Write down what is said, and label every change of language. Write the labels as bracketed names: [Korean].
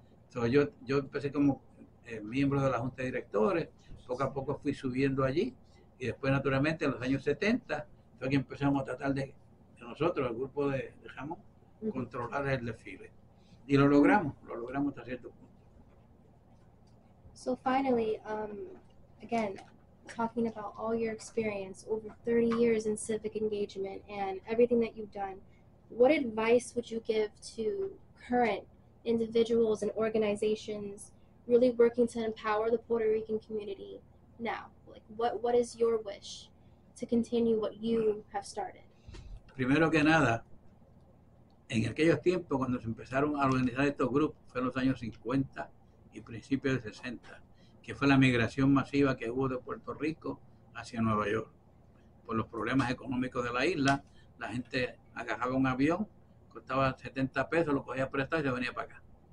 [Spanish] Entonces, yo empecé como miembro de la Junta de Directores, poco a poco fui subiendo allí, y después, naturalmente, en los años 70, fue que empezamos a tratar de nosotros, el grupo de Ramón, controlar el desfile. Y lo logramos hasta cierto punto. [English] So finally, again, talking about all your experience, over 30 years in civic engagement, and everything that you've done, what advice would you give to current individuals and organizations really working to empower the Puerto Rican community now? Like, what is your wish to continue what you have started? [Spanish] Primero que nada, en aquellos tiempos cuando se empezaron a organizar estos grupos, fue en los años 50 y principios de 60, que fue la migración masiva que hubo de Puerto Rico hacia Nueva York. Por los problemas económicos de la isla, la gente agarraba un avión, costaba 70 pesos, lo cogía prestado y se venía para acá.